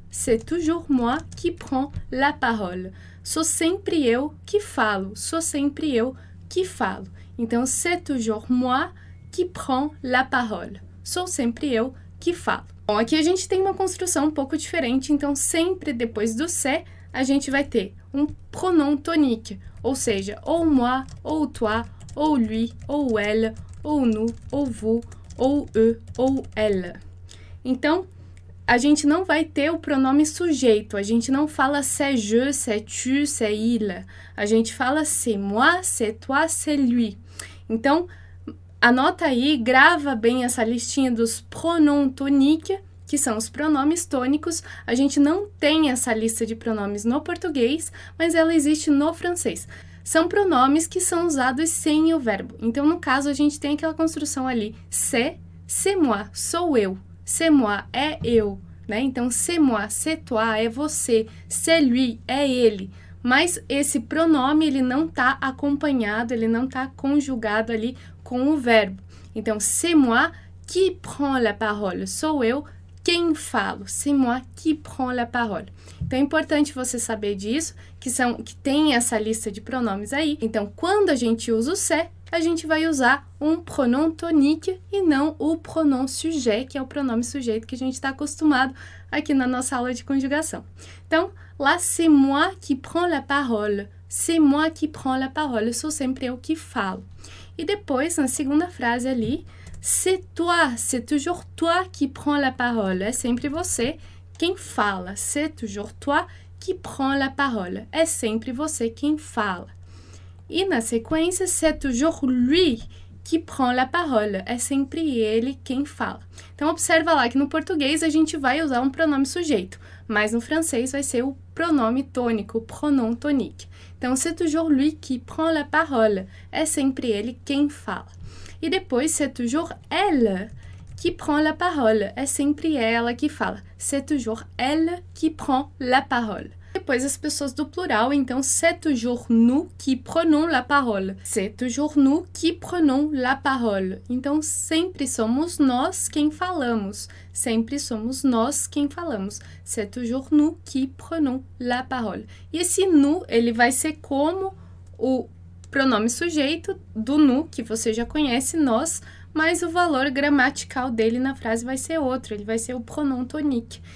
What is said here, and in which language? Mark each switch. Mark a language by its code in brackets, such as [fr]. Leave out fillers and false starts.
[fr] C'est toujours moi qui prend la parole. [pt] Sou sempre eu que falo. Sou sempre eu que falo. Então, [fr] c'est toujours moi qui prend la parole. [pt] Sou sempre eu que falo. Bom, aqui a gente tem uma construção um pouco diferente. Então, sempre depois do c'est, a gente vai ter um pronom tonique. Ou seja, ou moi, ou toi, ou lui, ou elle, ou nous, ou vous, ou eux, ou elle. Então, a gente não vai ter o pronome sujeito. A gente não fala [fr] c'est je, c'est tu, c'est il. [pt] A gente fala [fr] c'est moi, c'est toi, c'est lui. [pt] Então, Anota aí, grava bem essa listinha dos pronomes toniques, que são os pronomes tônicos. A gente não tem essa lista de pronomes no português, mas ela existe no francês. São pronomes que são usados sem o verbo. Então, no caso, a gente tem aquela construção ali: [fr] c'est moi, [pt] sou eu. [fr] C'est moi [pt] é eu, né? Então, [fr] c'est moi, c'est toi [pt] é você, [fr] c'est lui [pt] é ele. Mas esse pronome, ele não está acompanhado, ele não está conjugado ali com o verbo. Então, [fr] c'est moi qui prends la parole. [pt] Sou eu quem falo. [fr] C'est moi qui prends la parole. [pt] Então, é importante você saber disso, que tem essa lista de pronomes aí. Então, quando a gente usa o c'est, a gente vai usar um pronom tonique e não o pronom sujet, que é o pronome sujeito que a gente está acostumado aqui na nossa aula de conjugação. Então, [fr] là, c'est moi qui prends la parole. C'est moi qui prends la parole. [pt] Eu sou sempre eu que falo. E depois, na segunda frase ali, [fr] c'est toujours toi qui prends la parole. [pt] É sempre você quem fala. [fr] C'est toujours toi qui prends la parole. [pt] É sempre você quem fala. E na sequência, [fr] c'est toujours lui qui prend la parole. [pt] É sempre ele quem fala. Então, observa lá que no português a gente vai usar um pronome sujeito, mas no francês vai ser o pronome tônico, o pronom tonique. Então, [fr] c'est toujours lui qui prend la parole. [pt] É sempre ele quem fala. E depois, [fr] c'est toujours elle qui prend la parole. [pt] É sempre ela que fala. [fr] C'est toujours elle qui prend la parole. [pt] Depois as pessoas do plural, então [fr] c'est toujours nous qui prenons la parole. C'est toujours nous qui prenons la parole. [pt] Então sempre somos nós quem falamos. Sempre somos nós quem falamos. [fr] C'est toujours nous qui prenons la parole. [pt] E esse nous, ele vai ser como o pronome sujeito do nous, que você já conhece, nós. Mas o valor gramatical dele na frase vai ser outro, ele vai ser o pronom tonique.